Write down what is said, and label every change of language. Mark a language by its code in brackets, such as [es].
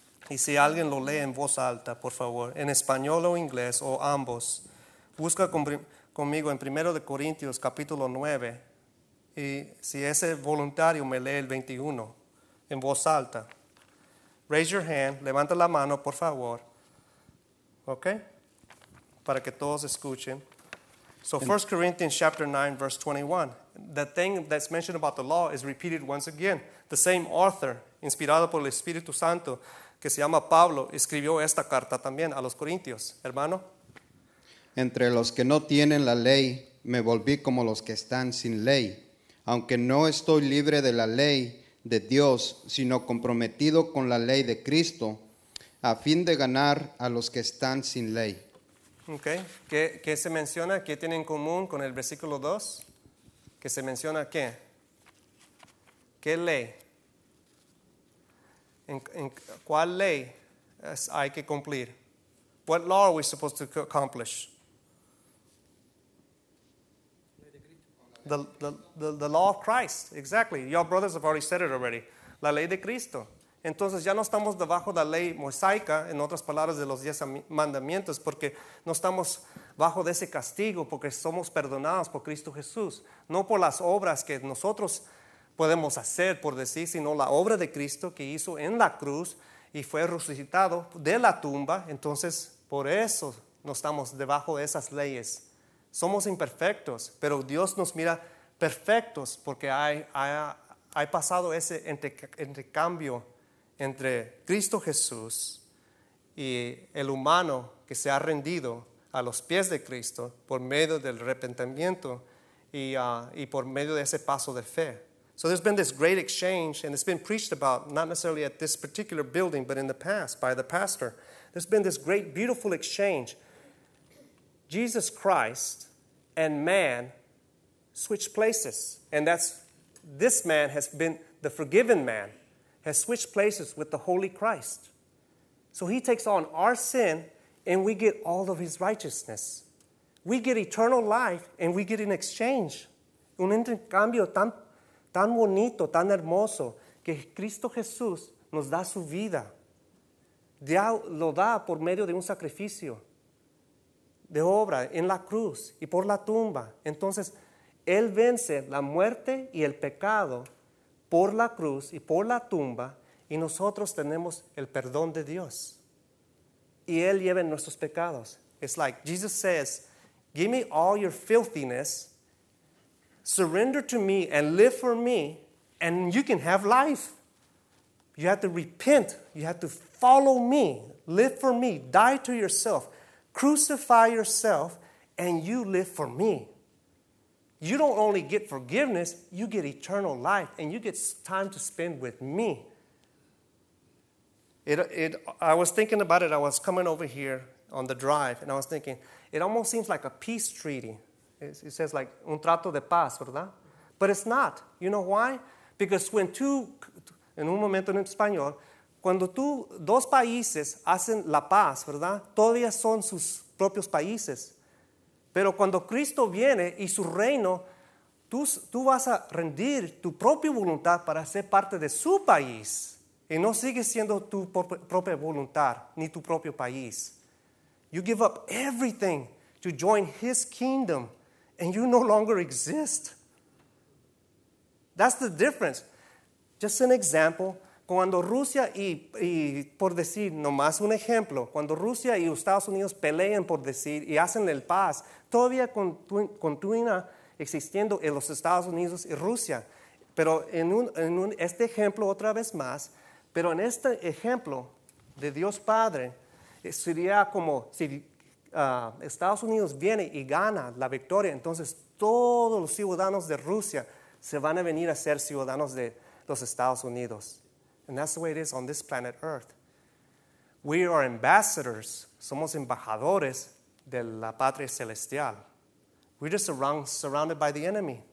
[es] Y si alguien lo lee en voz alta, por favor, en español o inglés o ambos, busca conmigo en 1 de Corintios capítulo 9 y si ese voluntario me lee el 21 en voz alta. [en] Raise your hand, [es] levanta la mano, por favor. ¿Ok? Para que todos escuchen. [en] So 1 Corinthians chapter 9 verse 21. The thing that's mentioned about the law is repeated once again. The same author, [es] inspirado por el Espíritu Santo, que se llama Pablo, escribió esta carta también a los corintios. Hermano, entre los que no tienen la ley, me volví como los que están sin ley. Aunque no estoy libre de la ley de Dios, sino comprometido con la ley de Cristo, a fin de ganar a los que están sin ley. Okay. ¿Qué se menciona? ¿Qué tiene en común con el versículo 2? ¿Qué se menciona qué? ¿Qué ley? ¿En cuál ley hay que cumplir? [en] What law are we supposed to accomplish? The law of Christ, exactly. Your brothers have already said it already. [es] La ley de Cristo. Entonces ya no estamos debajo de la ley mosaica, en otras palabras, de los 10 mandamientos, porque no estamos bajo de ese castigo, porque somos perdonados por Cristo Jesús. No por las obras que nosotros podemos hacer, por decir, sino la obra de Cristo que hizo en la cruz y fue resucitado de la tumba. Entonces, por eso no estamos debajo de esas leyes. Somos imperfectos, pero Dios nos mira perfectos porque hay pasado ese intercambio entre Cristo Jesús y el humano que se ha rendido a los pies de Cristo por medio del arrepentimiento y por medio de ese paso de fe. [en] So there's been this great exchange, and it's been preached about, not necessarily at this particular building, but in the past by the pastor. There's been this great, beautiful exchange. Jesus Christ and man switched places. And that's, this man has been, the forgiven man, has switched places with the holy Christ. So he takes on our sin, and we get all of his righteousness. We get eternal life, and we get an exchange. [es] Un intercambio tan bonito, tan hermoso, que Cristo Jesús nos da su vida. Dios lo da por medio de un sacrificio. De obra, en la cruz y por la tumba. Entonces, Él vence la muerte y el pecado por la cruz y por la tumba. Y nosotros tenemos el perdón de Dios. Y Él lleva nuestros pecados. [en] It's like Jesus says, give me all your filthiness. Surrender to me and live for me. And you can have life. You have to repent. You have to follow me. Live for me. Die to yourself. Crucify yourself and you live for me. You don't only get forgiveness, you get eternal life, and you get time to spend with me. I was thinking about it. I was coming over here on the drive, and I was thinking, it almost seems like a peace treaty. It says like [es] un trato de paz, ¿verdad? [en] But it's not. You know why? Because when two, [es] en un momento en español, cuando tú, dos países hacen la paz, ¿verdad? Todavía son sus propios países. Pero cuando Cristo viene y su reino, tú vas a rendir tu propia voluntad para ser parte de su país. Y no sigue siendo tu propia voluntad, ni tu propio país. [en] You give up everything to join his kingdom, and you no longer exist. That's the difference. Just an example. [es] Cuando Rusia y por decir, nomás un ejemplo, cuando Rusia y Estados Unidos pelean por decir y hacen el paz, todavía continúa existiendo en los Estados Unidos y Rusia. Pero en este ejemplo otra vez más, pero en este ejemplo de Dios Padre, sería como si Estados Unidos viene y gana la victoria, entonces todos los ciudadanos de Rusia se van a venir a ser ciudadanos de los Estados Unidos. [en] And that's the way it is on this planet Earth. We are ambassadors. [es] Somos embajadores de la patria celestial. [en] We're just surrounded by the enemy.